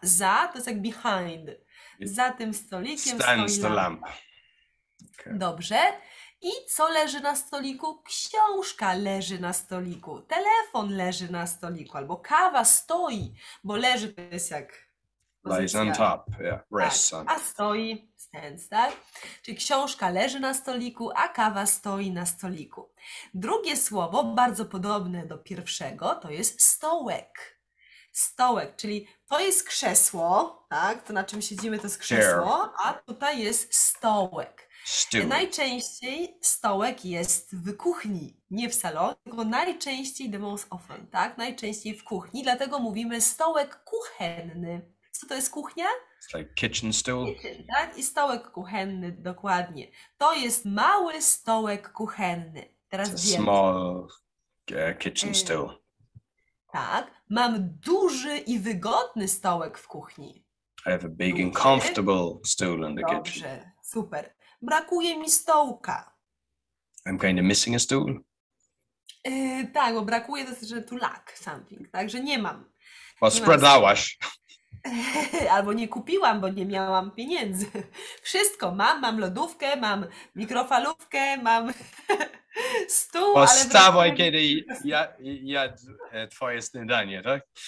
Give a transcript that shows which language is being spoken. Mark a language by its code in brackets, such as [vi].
[pl] Za, to jest jak behind. Za tym stolikiem stoi lampa. Dobrze. I co leży na stoliku? Książka leży na stoliku. Telefon leży na stoliku. Albo kawa stoi, bo leży, to jest jak... [en] Lies on top, yeah, rests on. [pl] Tak, a stoi, stands, tak? Czyli książka leży na stoliku, a kawa stoi na stoliku. Drugie słowo, bardzo podobne do pierwszego, to jest stołek. Stołek, czyli to jest krzesło, tak? To na czym siedzimy, to jest krzesło, a tutaj jest stołek. Najczęściej stołek jest w kuchni, nie w salonie, tylko najczęściej, [en] the most often, [pl] tak? Najczęściej w kuchni, dlatego mówimy stołek kuchenny. Co to jest kuchnia? [en] It's like kitchen stool. Kitchen, tak? [pl] I stołek kuchenny, dokładnie. To jest mały stołek kuchenny. Teraz wiemy. [en] Small kitchen stool. [pl] Tak. Mam duży i wygodny stołek w kuchni. [en] I have a big and comfortable stool in the kitchen. [pl] Dobrze, super. Brakuje mi stołka. [en] I'm kind of missing a stool. [pl] Tak, bo brakuje to, że tu [en] lack something, [pl] tak? Że nie mam. Well, sprzedałaś. Albo nie kupiłam, bo nie miałam pieniędzy. Wszystko mam, mam lodówkę, mam mikrofalówkę, mam stół. Postawaj, ale kiedy ja twoje śniadanie, tak?